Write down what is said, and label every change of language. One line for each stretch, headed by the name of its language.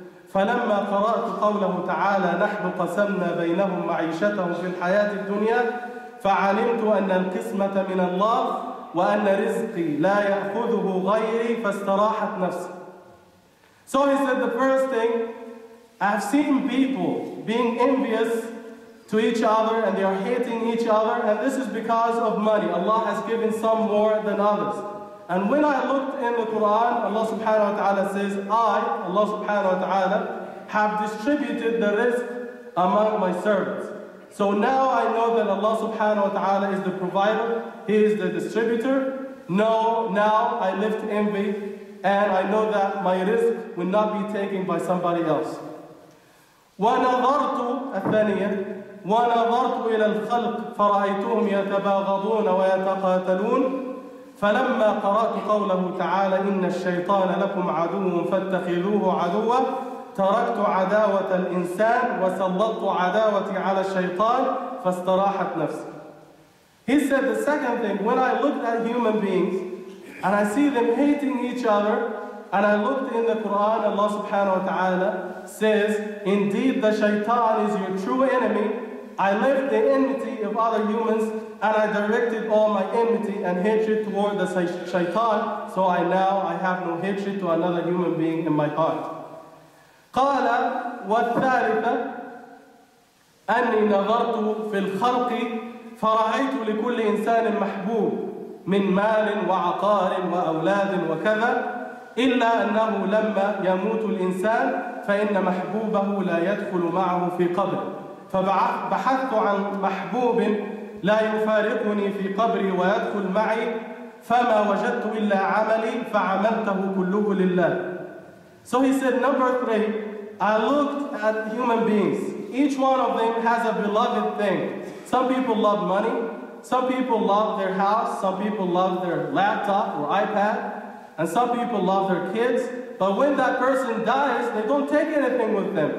Arabic: فلما قرأت قوله تعالى نحن قسمنا بينهم معيشتهم في الحياة الدنيا فعلمت أن القسمة من الله وأن رزقي لا يأخذه غيري فاستراحت نفسي."
English: So he said, the first thing, I've seen people being envious to each other and they are hating each other, and this is because of money. Allah has given some more than others. And when I looked in the Quran, Allah subhanahu wa ta'ala says, "I, Allah subhanahu wa ta'ala, have distributed the rizq among my servants." So now I know that Allah subhanahu wa ta'ala is the provider, He is the distributor. Now I lift envy and I know that my rizq will not be taken by somebody else.
Arabic: وَنَظَرْتُ الثَّانِيَةِ وَنَظَرْتُ إِلَى الْخَلْقِ فَرَأَيْتُهُمْ يَتَبَاغَضُونَ وَيَتَقَاتَلُونَ فلما قرأت قوله تعالى إن الشيطان لكم عدو فاتخذوه عدوا تركت عداوة الإنسان وسلطت عداوتي على الشيطان فاستراحت نفسي.
English: He said, the second thing, when I looked at human beings and I see them hating each other, and I looked in the Quran, Allah subhanahu wa ta'ala says, indeed the shaitan is your true enemy, I left the enmity of other humans and I directed all my enmity and hatred toward the shaitan, so I now have no hatred to another human being in my heart.
Arabic: قَالَ وَالثَّالِثَ أَنِّي نَظَرْتُ فِي الْخَلْقِ فَرَأَيْتُ لِكُلِّ إِنسَانٍ مَحْبُوبٍ مِنْ مَالٍ وَعَقَارٍ وَأَوْلَادٍ وَكَذَا إِلَّا أَنَّهُ لَمَّا يَمُوتُ الْإِنسَانِ فَإِنَّ مَحْبُوبَهُ لَا يَدْخُلُ مَعَهُ فِي قَبْرٍ فَبَحَثْتُ عَنْ مَحْبُوبٍ لا يفارقني في قبري ويدخل معي فما وجدت إلا عملي فعملته كله لله.
English: So he said, number 3, I looked at human beings. Each one of them has a beloved thing. Some people love money, some people love their house, some people love their laptop or iPad, and some people love their kids. But when that person dies, they don't take anything with them.